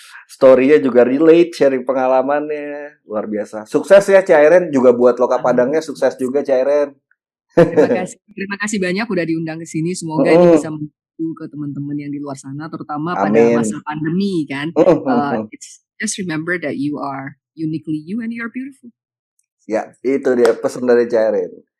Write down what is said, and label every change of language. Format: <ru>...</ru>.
<id>Story-nya juga relate, sharing pengalamannya luar biasa. Sukses ya Cairin juga buat Loka Padangnya sukses juga Cairin. Terima kasih banyak udah diundang ke sini. Semoga ini bisa ke teman-teman yang di luar sana, terutama pada masa pandemi kan.</id> <en>Just remember that you are uniquely you and you are beautiful.</en> <id>Ya, itu dia pesan dari Jairin.</id>